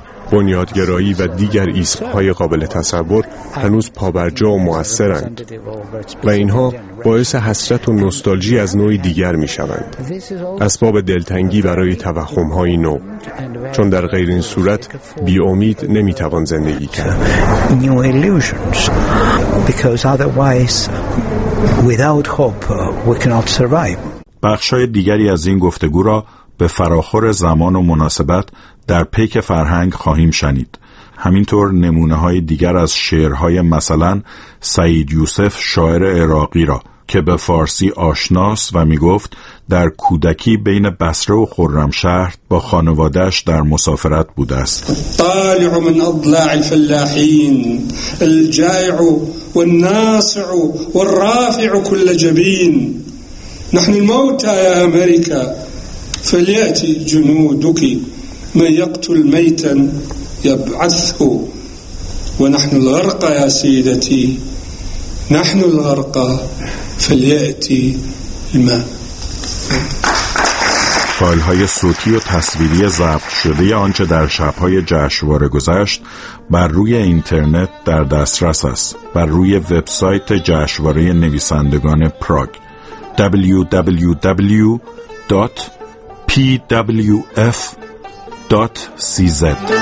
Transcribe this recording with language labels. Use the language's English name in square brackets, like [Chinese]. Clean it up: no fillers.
[Persian] بنیادگرایی و دیگر اسم‌های قابل تصور هنوز پابرجا و مؤثرند، و اینها باعث حسرت و نوستالژی از نوعی دیگر می‌شوند، اسباب دلتنگی برای توهم‌های نو، چون در غیر این صورت بی امید نمی‌توان زندگی کرد. [English] New illusions, because otherwise without hope we cannot survive. [Persian] بخش‌های دیگری از این گفتگو را به فراخور زمان و مناسبت در پیک فرهنگ خواهیم شنید. همینطور نمونه های دیگر از شعرهای مثلا سعید یوسف، شاعر عراقی را که به فارسی آشناست و می گفت در کودکی بین بصره و خرمشهر با خانوادهش در مسافرت بوده است. [Arabic] طالع من اضلاع الفلاحین الجائع والناصع والرافع كل جبین نحن الموتى يا امريكا فلياتي جنودك من يقتل ميتا يبعثه ونحن الغرقى يا سيدتي نحن الغرقى فلياتي الماء. [Persian] فایل های صوتی و تصویری ضبط شده آنچه در شب های جشنواره گذشت بر روی اینترنت در دسترس است، بر روی وبسایت جشنواره نویسندگان پراگ www.pwf.cz.